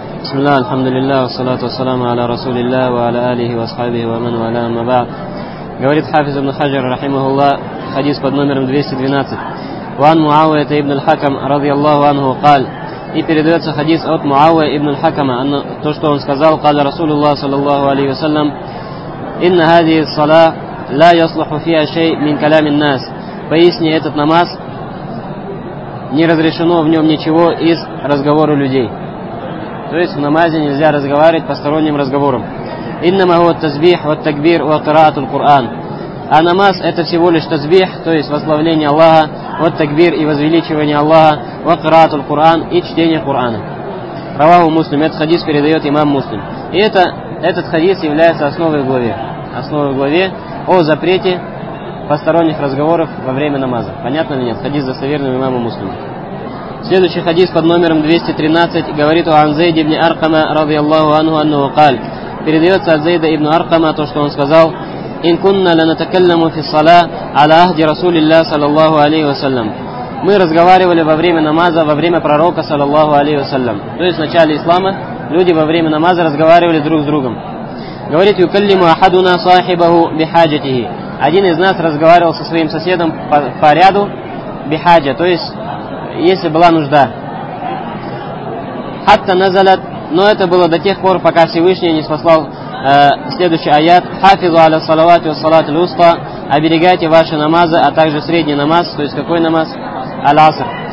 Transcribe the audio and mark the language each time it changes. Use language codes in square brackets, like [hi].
[ar] بسم الله الحمد لله والصلاة والسلام على رسول الله وعلى آله وصحبه ومن والاه ما بعد. [ru] Говорит [ar] حافظ ابن حجر رحمه الله حديث [ru] под номером 212. [ar] وعن معاوية ابن الحكم رضي الله عنه قال. [ru] И передается хадис от Муавия ибн аль-Хакама. То, что он сказал, [ar] قَالَ رَسُولُ اللَّهِ صَلَى اللَّهُ عَلَيْهِ وَسَلَّمُ إِنَّ هَذِهِ الصَّلَاةِ لَا يَصْلُحُ فِيهَا شَيْءٍ مِنْ كَلَامِ النَّاسِ. [ru] Поясни, этот намаз, не разрешено в нем ничего из разговора людей. То есть в намазе нельзя разговаривать посторонним разговором. [ar] إِنَّمَا هُوَ التَّزْبِيحُ وَالتَّكْبِيرُ وَقِرَاءَةُ الْقُرْآنِ. [ru] А намаз – это всего лишь тазбих, то есть восславление Аллаха, вот такбир и возвеличивание Аллаха, ва кираат аль-Куран и чтение Курана. Раваху Муслим, этот хадис передает имам Муслим. И этот хадис является основой в главе о запрете посторонних разговоров во время намаза. Понятно ли нет? Хадис достоверный имама Муслима. Следующий хадис под номером 213 говорит о Анзейд ибн Аркама ради Аллаху анху анну каль. Передается от Зейда ибн Аркама то, что он сказал. [ar] إن كنا لنتكلم في الصلاة على عهد رسول الله صلى الله عليه وسلم. [ru] Мы разговаривали во время намаза, во время пророка, саллаллаху алейхи вассалям. То есть в начале ислама люди во время намаза разговаривали друг с другом. Говорит, [ar] يكلم أحدنا صاحبه بحاجته. [ru] Один из нас разговаривал со своим соседом по ряду бихаджа, то есть если была нужда. Хатта назалат, но это было до тех пор, пока Всевышний не спаслал следующий аят. Хафизу аля салавати ва салати лусфа. Оберегайте ваши намазы, а также средний намаз. То есть какой намаз? Аль-Аср.